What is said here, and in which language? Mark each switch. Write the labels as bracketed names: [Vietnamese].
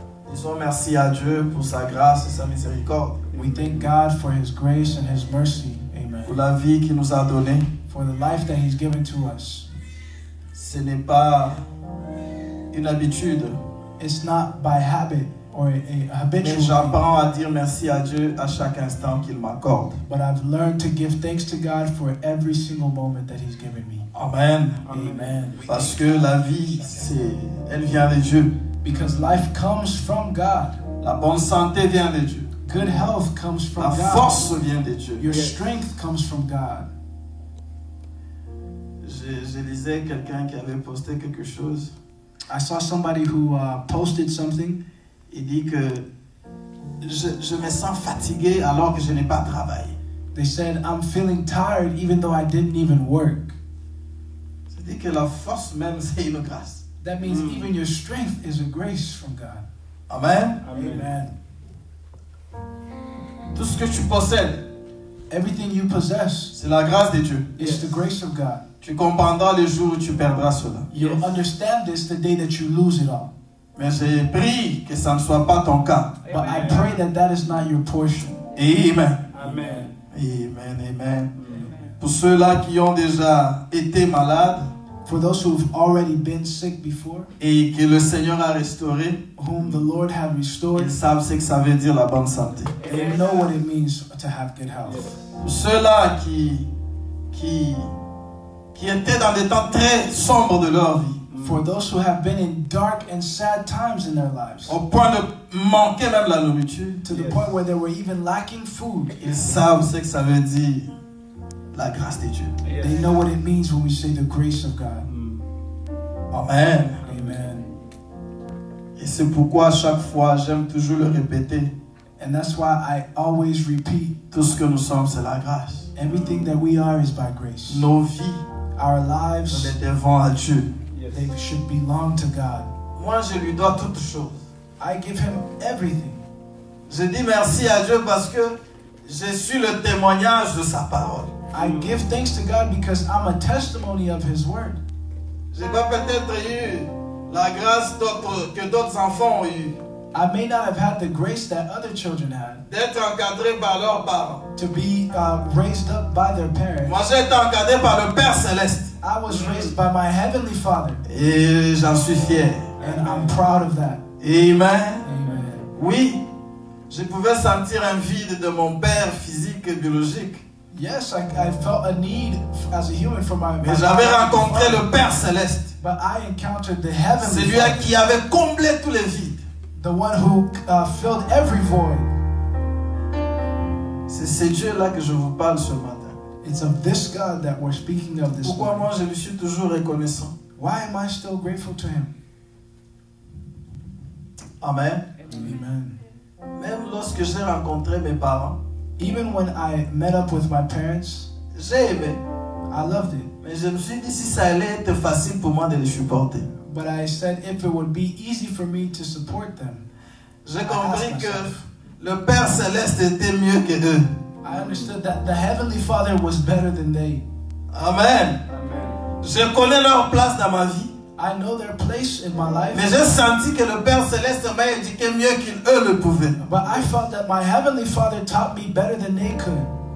[French] Disons merci à Dieu pour sa grâce et sa miséricorde. [English] We thank God for his grace and his mercy. Amen. [French] Pour la vie qu'il nous a donnée. [English] For the life that he's given to us. [French] Ce n'est pas une habitude. [English] It's not by habit or a habitual. [French] Mais j'apprends à dire merci à Dieu à chaque instant qu'il m'accorde. [English] But I've learned to give thanks to God for every single moment that he's given me. Amen. Amen. [French] Parce que la vie, c'est, elle vient de Dieu. [English] Because life comes from God. [French] La bonne santé vient de Dieu. [English] Good health comes from [French] God. La force vient de Dieu. [English] Your strength comes from God. [French] Je lisais quelqu'un qui avait posté quelque chose. [English] I saw somebody who posted something. [French] Il dit que je me sens fatigué alors que je n'ai pas travaillé. [English] They said I'm feeling tired even though I didn't even work. [French] C'est-à-dire que la force même c'est une grâce. [English] That means even your strength is a grace from God. Amen. Amen. Amen. [French] Tout ce que tu possèdes, [English] everything you possess, [French] c'est la grâce de Dieu. [English] It's the grace of God. [French] Tu comprendras les jours où tu perdras cela. [English] You'll understand this the day that you lose it all. [French] Mais je prie que ça ne soit pas ton cas. [English] But I pray that that is not your portion. Amen. Amen. Amen. Amen. [French] Pour ceux-là qui ont déjà été malades, [English] for those who have already been sick before, [French] et que le Seigneur a restauré, [English] whom the Lord have restored, [French] ils savent ce que ça veut dire la bonne santé. [English] They know what it means to have good health. [French] Pour ceux-là qui étaient dans des temps très sombres de leur vie, [English] for those who have been in dark and sad times in their lives, [French] au point de manquer même la nourriture, [English] to the point where they were even lacking food, [French] ils savent ce que ça veut dire la grâce de Dieu. [English] They know what it means when we say the grace of God. Amen. Amen. [French] Et c'est pourquoi à chaque fois j'aime toujours le répéter. [English] And that's why I always repeat. [French] Tout ce que nous sommes, c'est la grâce. [English] Everything that we are is by grace. [French] Nos vies, [English] our lives, [French] nous les devons à Dieu. [English] They should belong to God. [French] Moi, je lui dois toutes choses. [English] I give him everything. [French] Je dis merci à Dieu parce que je suis le témoignage de sa parole. [English] I give thanks to God because I'm a testimony of his word. [French] J'ai pas peut-être eu la grâce que d'autres enfants ont eu. [English] I may not have had the grace that other children had. [French] D'être encadré par leurs parents. [English] To be raised up by their parents. [French] Moi, j'ai été encadré par le Père Céleste. [English] I was raised by my heavenly Father. [French] Et j'en suis fier. [English] And I'm proud of that. Amen. Amen. [French] Oui, je pouvais sentir un vide de mon père physique et biologique. [English] Yes, I felt a need as a human for my. [French] Mais j'avais rencontré le Père Céleste. [English] But I encountered the heavenly. [French] C'est lui qui avait comblé tous les vides. [English] The one who filled every void. [French] C'est ce Dieu-là que je vous parle ce matin. [English] It's of this God that we're speaking of this. [French] Pourquoi moi je lui suis toujours reconnaissant? [English] Why am I still grateful to him? Amen. Amen. [French] Même lorsque j'ai rencontré mes parents. [English] Even when I met up with my parents, [French] j'ai aimé. [English] I loved it. [French] Mais je me suis dit si ça allait être facile pour moi de les supporter. [English] But I said if it would be easy for me to support them. [French] J'ai compris que le Père Céleste était mieux que eux. [English] I understood that the Heavenly Father was better than they. Amen. Amen. [French] Je connais leur place dans ma vie. [English] I know their place in my life. [French] Mais j'ai senti que le Père Céleste m'a éduqué mieux qu'eux le pouvaient. [English] But I felt that my Heavenly Father taught me better than they could.